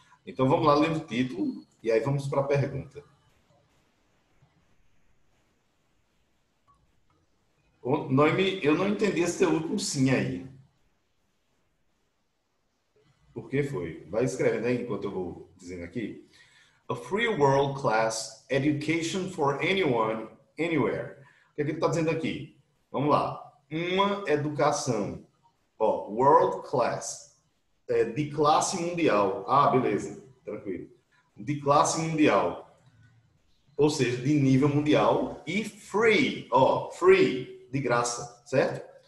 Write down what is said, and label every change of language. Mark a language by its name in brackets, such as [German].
[Portuguese] Então vamos lá, lendo o título e aí vamos para a pergunta. Noemi, eu não entendi esse seu último sim aí. Por que foi? Vai escrevendo aí enquanto eu vou dizendo aqui. [English] A free world class education for anyone, anywhere. [Portuguese] O que é que ele está dizendo aqui? Vamos lá. Uma educação. Ó, [English] world class. [Portuguese] De classe mundial. Ah, beleza. Tranquilo. De classe mundial. Ou seja, de nível mundial. E free. Ó, free. De graça. Certo?